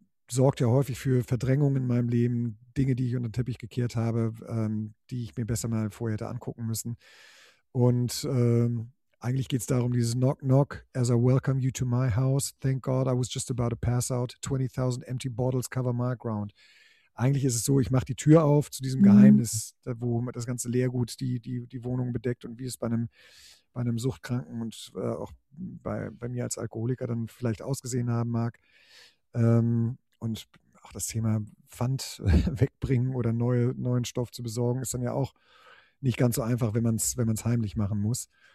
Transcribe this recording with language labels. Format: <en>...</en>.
<de>Sorgt ja häufig für Verdrängung in meinem Leben, Dinge, die ich unter den Teppich gekehrt habe, die ich mir besser mal vorher hätte angucken müssen. Und eigentlich geht es darum, dieses</de> <en>Knock, Knock, as I welcome you to my house, thank God I was just about to pass out, 20,000 empty bottles cover my ground.</en> <de>Eigentlich ist es so, ich mache die Tür auf zu diesem Geheimnis, wo das ganze Leergut die Wohnung bedeckt und wie es bei einem Suchtkranken und auch bei mir als Alkoholiker dann vielleicht ausgesehen haben mag. Und auch das Thema Pfand wegbringen oder neuen Stoff zu besorgen, ist dann ja auch nicht ganz so einfach, wenn man es heimlich machen muss.</de>